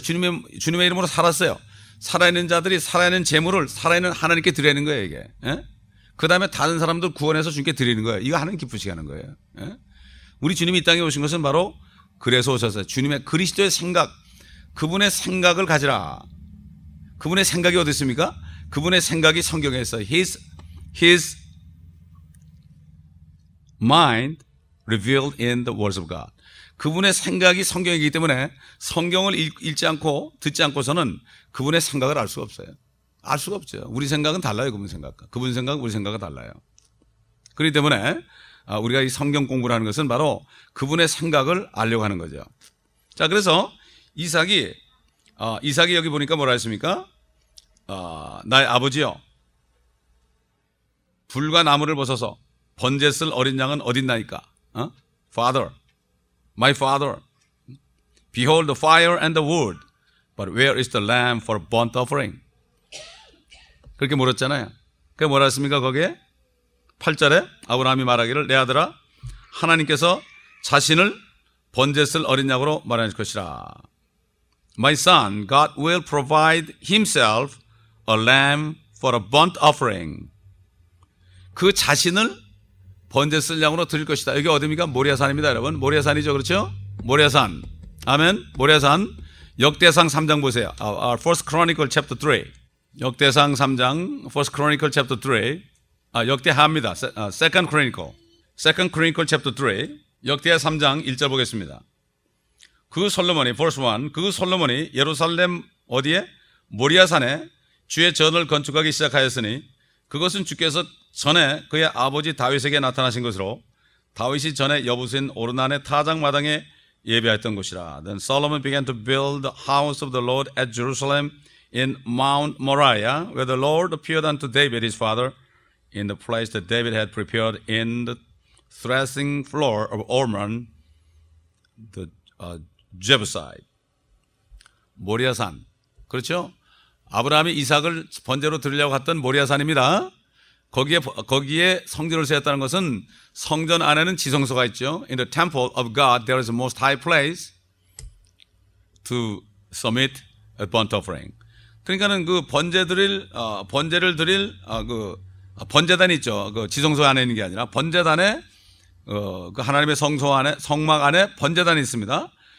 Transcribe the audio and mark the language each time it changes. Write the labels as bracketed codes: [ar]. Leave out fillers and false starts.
[ko] 주님의 이름으로 살았어요. 살아있는 자들이 살아있는 제물을 살아있는 하나님께 드리는 거예요, 이게. 그 다음에 다른 사람들 구원해서 주님께 드리는 거예요. 이거 하는 기쁘시게 하는 거예요. 우리 주님이 이 땅에 오신 것은 바로 그래서 오셨어요. 주님의 그리스도의 생각, 그분의 생각을 가지라. 그분의 생각이 어디 있습니까? 그분의 생각이 성경에 있어요. [en] His mind revealed in the words of God. [ko] 그분의 생각이 성경이기 때문에 성경을 읽지 않고 듣지 않고서는 그분의 생각을 알 수가 없어요. 알 수가 없죠. 우리 생각은 달라요. 그분 생각과. 그분 생각은 우리 생각과 달라요. 그렇기 때문에 우리가 이 성경 공부를 하는 것은 바로 그분의 생각을 알려고 하는 거죠. 자, 그래서 이삭이 여기 보니까 뭐라 했습니까? 나의 아버지요. 불과 나무를 벗어서 번제 쓸 어린 양은 어딨나이까? [en] Father, my father, behold the fire and the wood, but where is the lamb for burnt offering? [ko] 그렇게 물었잖아요. 그게 뭐라 했습니까, 거기에? 8절에 아브라함이 말하기를 내 아들아, 하나님께서 자신을 번제 쓸 어린 양으로 마련할 것이라. [en] My son, God will provide himself a lamb for a burnt offering. [ko] 그 자신을 번제 쓸 양으로 드릴 것이다. 여기 어디입니까? 모리아산입니다, 여러분. 모리아산이죠, 그렇죠? 모리아산. 아멘. 모리아산. 역대상 3장 보세요. [en] First Chronicle Chapter 3. [ko] 역대상 3장. [en] First Chronicle Chapter 3. [ko] 역대하입니다. [en] Second Chronicle. Second Chronicle Chapter 3. [ko] 역대하 3장 1절 보겠습니다. 그 솔로몬이, [en] verse 1. [ko] 그 솔로몬이 예루살렘 어디에? 모리아산에 주의 전을 건축하기 시작하였으니 그것은 주께서 전에 그의 아버지 다윗에게 나타나신 것으로 다윗이 전에 여부스인 오르난의 타작마당에 예배했던 곳이라. [en] Then Solomon began to build the house of the Lord at Jerusalem in Mount Moriah, where the Lord appeared unto David his father in the place that David had prepared in the threshing floor of Ormon, the Jebusite. [ko] 모리아산. 그렇죠? 아브라함이 이삭을 번제로 드리려고 갔던 모리아산입니다. 거기에 성전을 세웠다는 것은 성전 안에는 지성소가 있죠. [en] In the temple of God, there is a most high place to submit a burnt offering. [ko] 그러니까는 그 번제단이 있죠. 그 지성소 안에 있는 게 아니라 번제단에 그 하나님의 성소 안에 성막 안에 번제단이 있습니다.